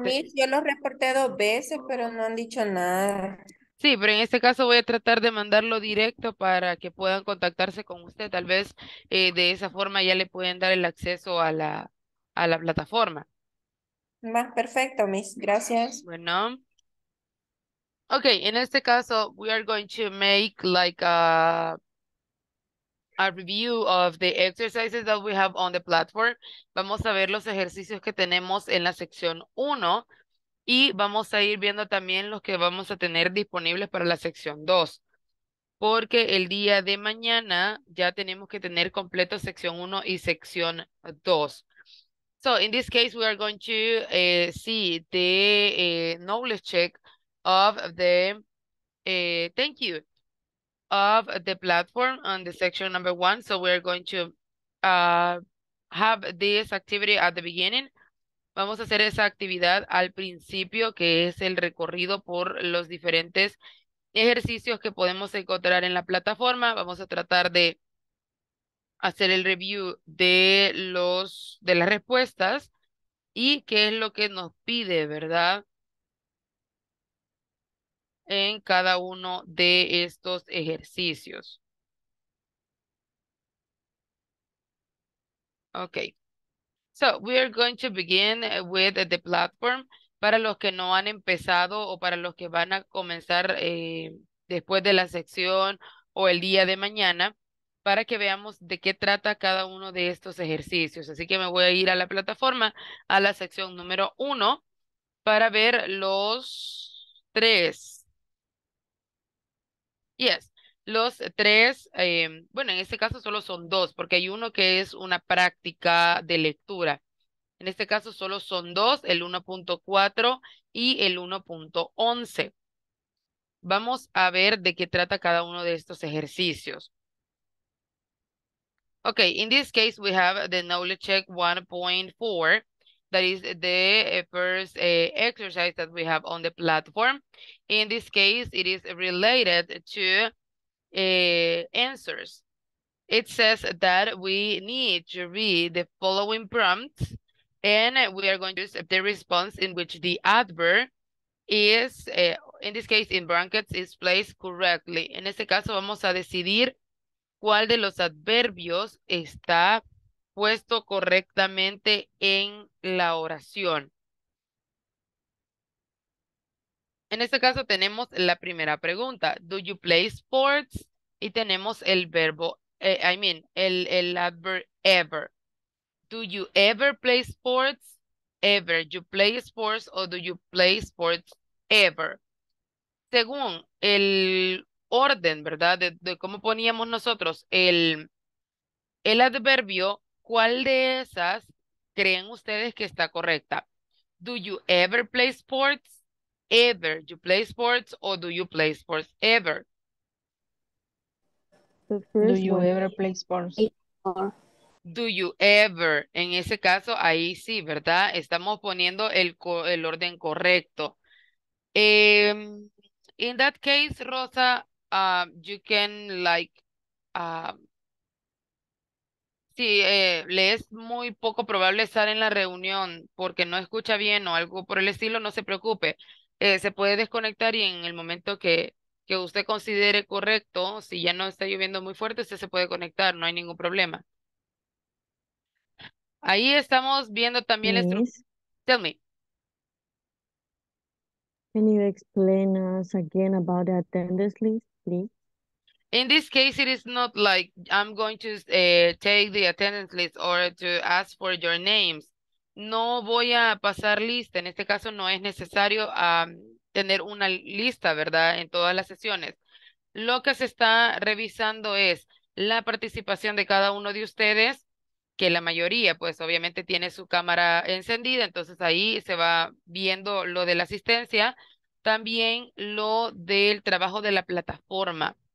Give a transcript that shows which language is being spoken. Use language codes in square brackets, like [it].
[es] Mis, yo lo reporté dos veces, pero no han dicho nada. Sí, pero en este caso voy a tratar de mandarlo directo para que puedan contactarse con usted. Tal vez de esa forma ya le pueden dar el acceso a la plataforma. Más perfecto, mis, gracias. Bueno. [en] Ok, [es] en este caso, [en] we are going to make like a review of the exercises that we have on the platform. [es] Vamos a ver los ejercicios que tenemos en la sección 1 y vamos a ir viendo también los que vamos a tener disponibles para la sección 2. Porque el día de mañana ya tenemos que tener completo sección 1 y sección 2. [en] So, in this case, we are going to see the knowledge check of the, thank you, of the platform on the section number 1. So we're going to have this activity at the beginning. [es] Vamos a hacer esa actividad al principio, que es el recorrido por los diferentes ejercicios que podemos encontrar en la plataforma. Vamos a tratar de hacer el review de los de las respuestas y qué es lo que nos pide, ¿verdad? En cada uno de estos ejercicios. [en] Okay. So, we are going to begin with the platform. [es] Para los que no han empezado o para los que van a comenzar después de la sección o el día de mañana, para que veamos de qué trata cada uno de estos ejercicios. Así que me voy a ir a la plataforma, a la sección número 1, para ver los tres. [en] Yes, [es] los tres, bueno, en este caso solo son dos, porque hay uno que es una práctica de lectura. En este caso solo son dos, el 1.4 y el 1.11. Vamos a ver de qué trata cada uno de estos ejercicios. [en] Okay, in this case we have the knowledge check 1.4. That is the first exercise that we have on the platform. In this case, it is related to answers. It says that we need to read the following prompts, and we are going to use the response in which the adverb is, in this case, in brackets, is placed correctly. [es] En este caso, vamos a decidir cuál de los adverbios está puesto correctamente en la oración. En este caso tenemos la primera pregunta. [en] Do you play sports? [es] Y tenemos el verbo, [en] I mean, [es] el adverb ever. [en] Do you ever play sports? Ever. You play sports or do you play sports ever? [es] Según el orden, ¿verdad? De cómo poníamos nosotros el adverbio, ¿cuál de esas creen ustedes que está correcta? [en] Do you ever play sports? Ever. You play sports or do you play sports ever? The Do first you one. ever play sports? Do you ever? [es] En ese caso, ahí sí, ¿verdad? Estamos poniendo el orden correcto. [en] In that case, Rosa, you can like, [es] sí, le es muy poco probable estar en la reunión porque no escucha bien o algo por el estilo, no se preocupe. Se puede desconectar y en el momento que usted considere correcto, si ya no está lloviendo muy fuerte, usted se puede conectar, no hay ningún problema. Ahí estamos viendo también la estructura. [en] Please. Tell me. Can you explain us again about the attendance list, please? In this case, it is not like I'm going to take the attendance list or to ask for your names. [es] No voy a pasar lista. En este caso, no es necesario tener una lista, ¿verdad? En todas las sesiones. Lo que se está revisando es la participación de cada uno de ustedes, que la mayoría, pues obviamente tiene su cámara encendida, entonces ahí se va viendo lo de la asistencia, también lo del trabajo de la plataforma.